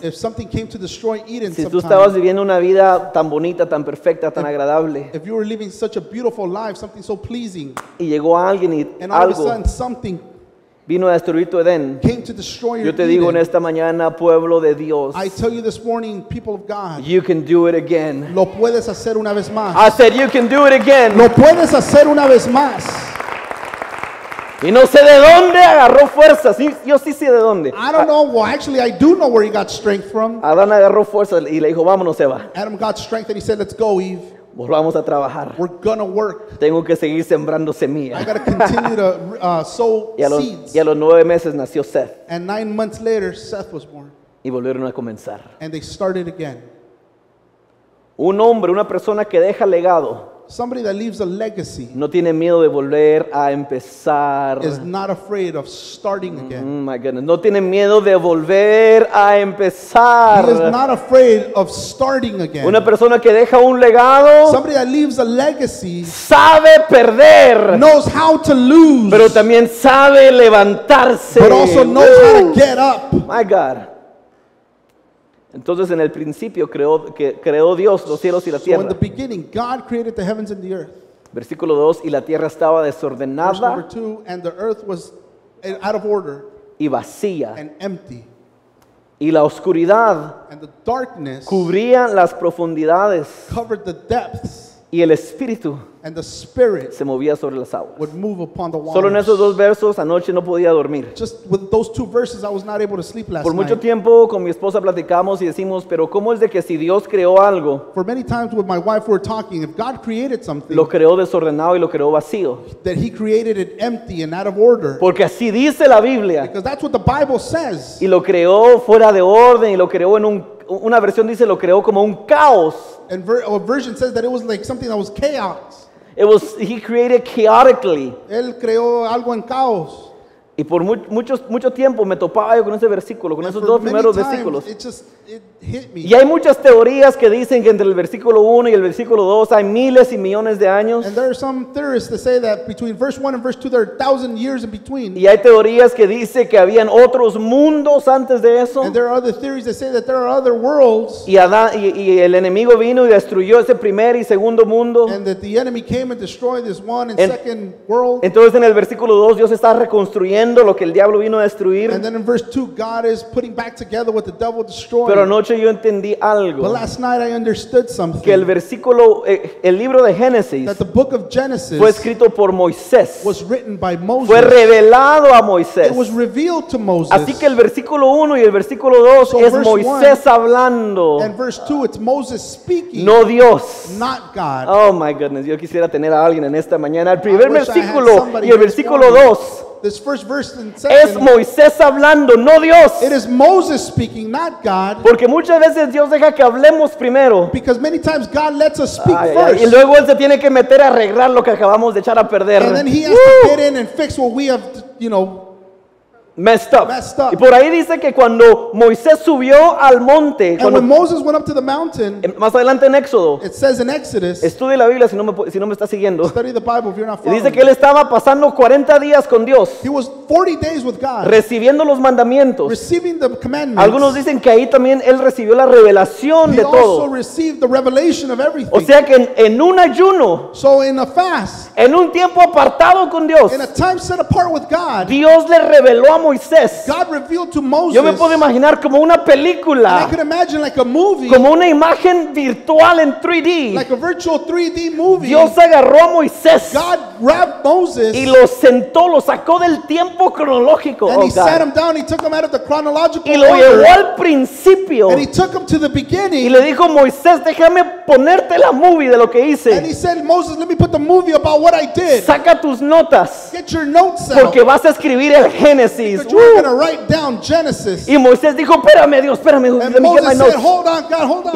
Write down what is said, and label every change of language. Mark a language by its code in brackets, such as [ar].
[en] if something came to destroy Eden, [es] si tú estabas viviendo una vida tan bonita, tan perfecta, tan agradable, [en] if you were living such a beautiful life, something so pleasing, [es] y llegó alguien y [en] and all of a sudden something [es] vino a destruir tu Edén. [en] Came to destroy your [es] Eden. Yo te digo en esta mañana, pueblo de Dios, [en] I tell you this morning, people of God, you can do it again. [es] Lo puedes hacer una vez más. [en] I said you can do it again. [es] Lo puedes hacer una vez más. Y no sé de dónde agarró fuerzas. Yo sí sé de dónde. [en] I don't know. Well, actually, I do know where he got strength from. [es] Adán agarró fuerzas y le dijo, vámonos, Eva. [en] Adam got strength and he said, let's go, Eve. [es] Volvamos a trabajar. [en] We're gonna work. [es] Tengo que seguir sembrando semilla. [en] I gotta continue to sow seeds. [es] Y a los 9 meses nació Seth. [en] And 9 months later, Seth was born. [es] Y volvieron a comenzar. [en] And they started again. [es] Un hombre, una persona que deja legado. [en] Somebody that leaves a legacy. [es] No tiene miedo de volver a empezar. [en] Is not afraid of starting again. Oh my goodness. [es] No tiene miedo de volver a empezar. [en] He is not afraid of starting again. [es] Una persona que deja un legado. [en] Somebody that leaves a legacy. [es] Sabe perder. [en] Knows how to lose. [es] Pero también sabe levantarse. [en] But also knows how to get up. My God. [es] Entonces en el principio creó Dios los cielos y la tierra. [en] So in the beginning, God created the heavens and the earth. [es] Versículo 2, y la tierra estaba desordenada. [en] Verse 2, and the earth was out of order. [es] Y vacía. [en] And empty. [es] Y la oscuridad. [en] And the darkness. [es] Cubría las profundidades. [en] Covered the depths. [es] Y el Espíritu. [en] And the Spirit. [es] Se movía sobre las aguas. [en] Would move upon the waters. [es] Solo en esos dos versos anoche no podía dormir. [en] Just with those two verses I was not able to sleep last night. [es] Por mucho tiempo con mi esposa platicamos y decimos, pero ¿cómo es de que si Dios creó algo? [en] For many times with my wife we were talking, if God created something. [es] Lo creó desordenado y lo creó vacío. [en] That he created it empty and out of order. [es] Porque así dice la Biblia. [en] Because that's what the Bible says. [es] Y lo creó fuera de orden y lo creó en una versión dice lo creó como un caos. [en] And a version says that it was like something that was chaos. He created chaotically. [es] Él creó algo en caos. Y por mucho tiempo me topaba yo con ese versículo, con [en] and [es] esos dos primeros versículos. [en] It hit me. [es] Y hay muchas teorías que dicen que entre el versículo 1 y el versículo 2 hay miles y millones de años. [en] And there are some theorists that say that between verse 1 and verse 2 there are 1,000 years in between. [es] Y hay teorías que dice que habían otros mundos antes de eso. [en] And there are other theories that say that there are other worlds. [es] Y el enemigo vino y destruyó ese primer y segundo mundo. [en] And that the enemy came and destroyed this one and second world. [es] Entonces en el versículo 2 Dios está reconstruyendo lo que el diablo vino a destruir. [en] And then in verse 2 God is putting back together what the devil destroyed. [es] Pero anoche yo entendí algo. [en] But last night I understood something. [es] Que el versículo, el libro de Génesis, [en] that the book of Genesis [es] fue escrito por Moisés. [en] Was written by Moses. [es] Fue revelado a Moisés. [en] It was revealed to Moses. [es] Así que el versículo 1 y el versículo 2 [en] so [es] es Moisés [en] one, [es] hablando. [en] And verse 2 it's Moses speaking. [es] No Dios. [en] Not God. Oh my goodness, [es] yo quisiera tener a alguien en esta mañana. El primer versículo y el versículo 2. [en] This first verse and second, [es] es Moisés hablando, no Dios. [en] It is Moses speaking, not God. [es] Porque muchas veces Dios deja que hablemos primero. [en] Because many times God lets us speak first. [es] Y luego él se tiene que meter a arreglar lo que acabamos de echar a perder. [en] And then he has to get in and fix what we have, you know, messed up. [es] Y por ahí dice que cuando Moisés subió al monte, [en] when Moses went up to the mountain, [es] más adelante en Éxodo, [en] it says in Exodus, [es] estudie la Biblia si no me está siguiendo. [en] Study the Bible if you're not following. [es] Dice que él estaba pasando 40 días con Dios. [en] He was 40 days with God. [es] Recibiendo los mandamientos. [en] Receiving the commandments. [es] Algunos dicen que ahí también él recibió la revelación [en] he [es] de todo. [en] He also received the revelation of everything. [es] O sea que en un ayuno, [en] so in a fast, [es] en un tiempo apartado con Dios, [en] in a time set apart with God, [es] Dios le reveló a Moisés. [en] God revealed to Moses. [es] Yo me puedo imaginar como una película. [en] And I could imagine like a movie. [es] Como una imagen virtual en 3D. [en] Like a virtual 3D movie. [es] Dios agarró a Moisés. [en] God grabbed Moses. [es] Y lo sentó, lo sacó del tiempo cronológico. [en] And oh, he God. Sat him down, he took him out of the chronological [es] y lo [en] order. [es] Llevó al principio. [en] And he took him to the beginning. [es] Y le dijo, Moisés, déjame ponerte la movie de lo que hice. [en] And he said, Moses, let me put the movie about what I did. [es] Saca tus notas. [en] Get your notes out. [es] Porque vas a escribir el Génesis. [en] You're going to write down Genesis. [es] Y Moisés dijo, espérame Dios, espérame. [en] And Moses said, hold on, God, hold on.